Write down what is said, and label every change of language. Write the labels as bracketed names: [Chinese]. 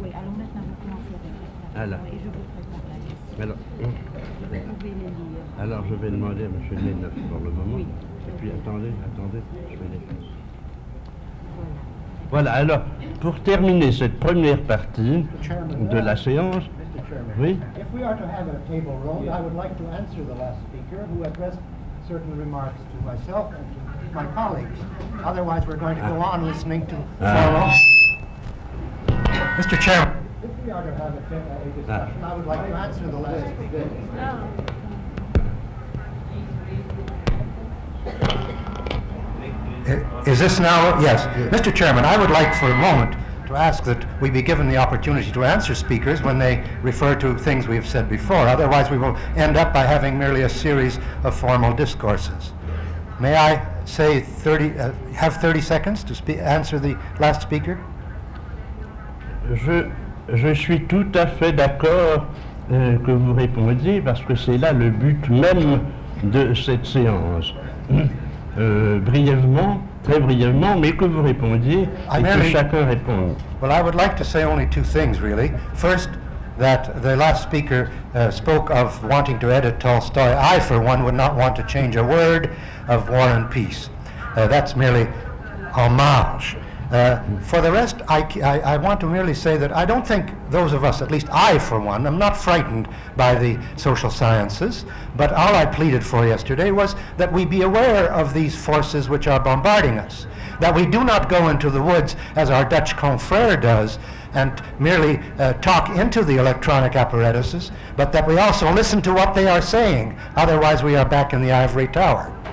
[French] Oui, alors maintenant, vous commencez avec la table ronde et je vous prépare la question. Alors, vous pouvez les lire. Alors, je vais demander à M. Leneuf pour le moment. Oui. Et puis, attendez, je vais les faire. Voilà, alors, pour terminer cette première partie de la séance... [English] Mr. Chairman, [French] oui? [English] If we are to have a table ronde, yes. I would like to answer the last speaker who addressed certain remarks to myself and to my colleagues. Otherwise, we're going to go on listening to... Mr. Chairman, if we are to have a discussion, I would like to answer the last speaker. Is this now? Yes. Mr. Chairman, I would like for a moment to ask that we be given the opportunity to answer speakers when they refer to things we have said before. Otherwise, we will end up by having merely a series of formal discourses. May I say have 30 seconds to answer the last speaker? [French] Je suis tout à fait d'accord que vous répondiez, parce que c'est là le but même de cette séance. Brièvement, très brièvement, mais que vous répondiez et que chacun réponde. [English] Well, I would like to say only two things, really. First, that the last speaker spoke of wanting to edit Tolstoy. I, for one, would not want to change a word of War and Peace. That's merely homage. For the rest, I want to merely say that I don't think those of us, at least I for one, am not frightened by the social sciences, but all I pleaded for yesterday was that we be aware of these forces which are bombarding us, that we do not go into the woods as our Dutch confrère does and merely talk into the electronic apparatuses, but that we also listen to what they are saying, otherwise we are back in the ivory tower.